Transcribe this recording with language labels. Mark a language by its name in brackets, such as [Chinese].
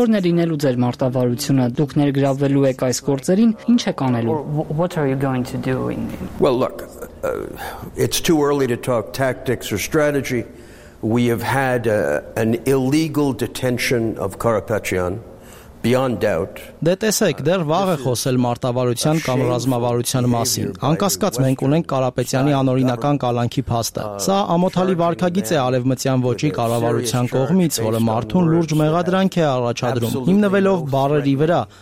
[Armenian] Որն է լինելու ձեր մարտավարությունը, դուք ներգրավվելու եք այս գործերին, ի՞նչ եք անելու։ [English] What are you going to do in them? Well, look, it's too early to talk tactics or strategy. We have had an illegal detention of Karapetyan. Beyond doubt. [Armenian] Դե տեսեք, դեռ վաղ է խոսել մարտավարության կամ ռազմավարության մասին։ Անկասկած մենք ունենք Կարապետյանի անօրինական կալանքի փաստը։ Սա ամոթալի վարքագիծ է արևմտյան ոճի կառավարության կողմից, որը մարդուն լուրջ մեղադրանք է առաջադրում, հիմնվելով բարերի վրա,